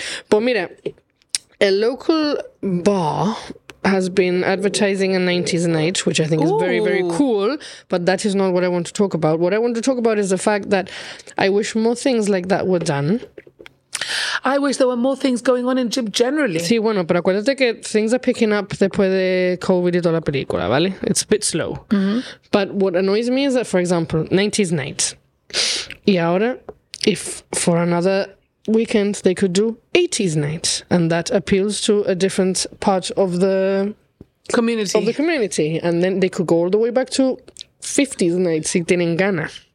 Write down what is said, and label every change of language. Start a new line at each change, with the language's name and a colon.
English: But
Spanish: mira,
English: a local bar has been advertising a 90s night, which I think is very, very cool, but that is not what I want to talk about. What I want to talk about is the fact that I wish more things like that were done. I wish there were more things going on in Jib generally.
Spanish: Sí, bueno, pero acuérdate que
English: things are picking up
Spanish: después de COVID y toda la película, ¿vale?
English: It's a bit slow. Mm-hmm. But what annoys me is that, for example, 90s night.
Spanish: Y ahora,
English: if for another weekend they could do 80s night, and that appeals to a different part of the community. Of the community. And then they could go all the way back to 50s night,
Spanish: si tienen gana.